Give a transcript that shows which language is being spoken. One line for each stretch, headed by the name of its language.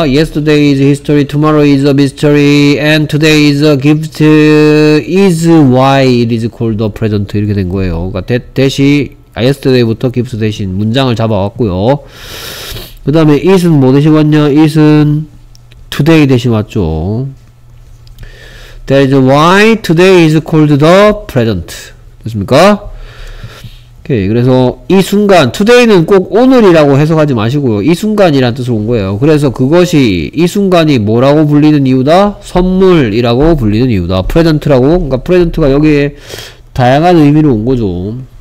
English: Yesterday is history, tomorrow is a mystery, and today is a gift is why it is called a present
Korean: 이렇게 된 거예요. 그러니까 that이 yesterday부터 gift 대신 문장을 잡아왔고요. 그 다음에 it은 뭐 대신 왔냐? it은 today 대신 왔죠.
English: That is why today is called the present.
Korean: 됐습니까? 오케이. 그래서 이 순간, today는 꼭 오늘이라고 해석하지 마시고요. 이 순간이란 뜻으로 온 거예요. 그래서 그것이 이 순간이 뭐라고 불리는 이유다? 선물이라고 불리는 이유다. present라고. 그러니까 present가 여기에 다양한 의미로 온 거죠.